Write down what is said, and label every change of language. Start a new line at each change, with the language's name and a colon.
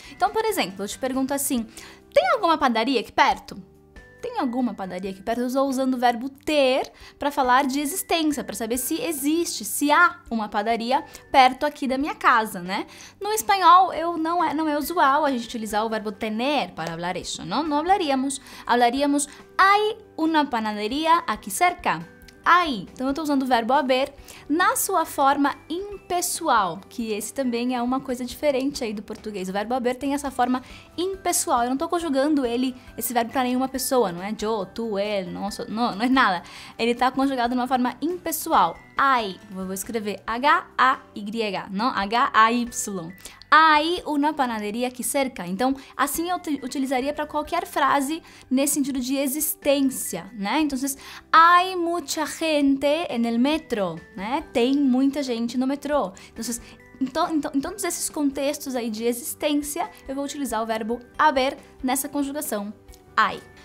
Portuguese: Então, por exemplo, eu te pergunto assim: tem alguma padaria aqui perto? Tem alguma padaria aqui perto? Eu estou usando o verbo ter para falar de existência, para saber se existe, se há uma padaria perto aqui da minha casa, né? No espanhol, não é usual a gente utilizar o verbo tener para falar isso. Não, não hablaríamos.
Spanish: Hablaríamos hay una panadería aquí cerca.
Portuguese: Aí, então eu estou usando o verbo haver na sua forma impessoal, que esse também é uma coisa diferente aí do português. O verbo haver tem essa forma impessoal. Eu não estou conjugando ele, esse verbo, para nenhuma pessoa, não é? Yo, tu, ele, nosso, não, não é nada. Ele está conjugado numa forma impessoal. Aí, eu vou escrever Hay, não?
Spanish: Hay. Aí, una panadería aquí cerca.
Portuguese: Então, assim eu utilizaria para qualquer frase nesse sentido de existência, né?
Spanish: Então, hay mucha gente en el metro, né?
Portuguese: Tem muita gente no metrô. Então, todos esses contextos aí de existência, eu vou utilizar o verbo haver nessa conjugação, hay.